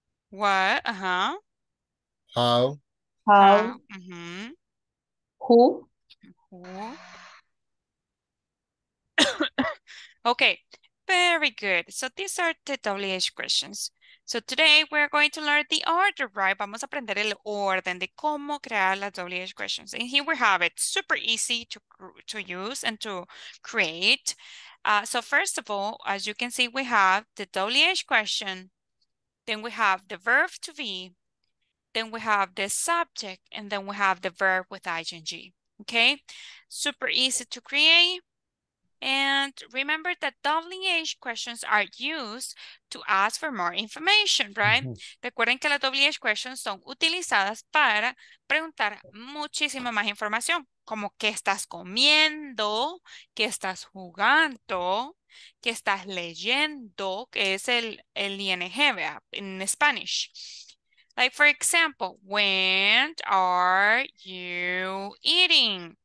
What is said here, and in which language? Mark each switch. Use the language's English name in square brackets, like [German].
[English] What? Uh-huh. How? Mm-hmm. Who? Who? Okay. Very good. So these are the WH questions. So today we're going to learn the order, right? [Spanish] Vamos a aprender el orden de cómo crear las WH questions. [English] And here we have it. Super easy to use and to create. So first of all, as you can see, we have the WH question. Then we have the verb to be. Then we have the subject. And then we have the verb with ing. Okay? Super easy to create. And remember that WH questions are used to ask for more information, right? Mm-hmm. [Spanish] Recuerden que las WH questions son utilizadas para preguntar muchísima más información, como qué estás comiendo, qué estás jugando, qué estás leyendo, que es el ING, ¿verdad? [English] In Spanish. Like, for example, when are you eating?